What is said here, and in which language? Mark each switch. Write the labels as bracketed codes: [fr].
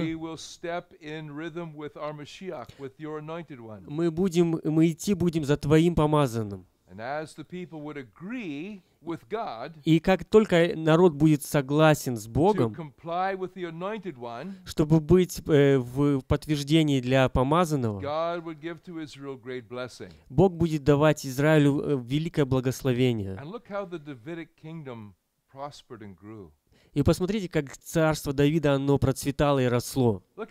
[en] We will step in rhythm with our Mashiach, with your anointed one. [ru] Мы идти будем за твоим помазанным. [en] And as the people would agree with God, [ru] и как только народ будет согласен с Богом, [en] to comply with the anointed one, [ru] чтобы быть в подтверждении для помазанного, [en] God would give to Israel great blessing. [ru] Бог будет давать Израилю великое благословение. [en] And look how the Davidic kingdom prospered and grew. [ru] И посмотрите, как царство Давида, оно процветало и росло.